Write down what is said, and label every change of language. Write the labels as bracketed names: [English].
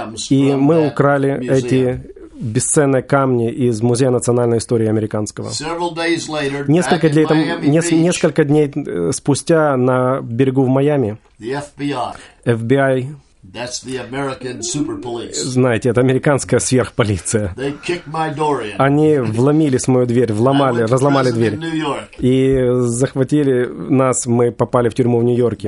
[Russian] Мы украли эти бесценные камни из Музея национальной истории американского. Несколько дней спустя на берегу в Майами FBI, [English] that's the American super police. [Russian] Знаете, это американская сверхполиция. [English] They kicked my door in. [Russian] Они вломились в мою дверь, разломали дверь. И захватили нас, мы попали в тюрьму в Нью-Йорке.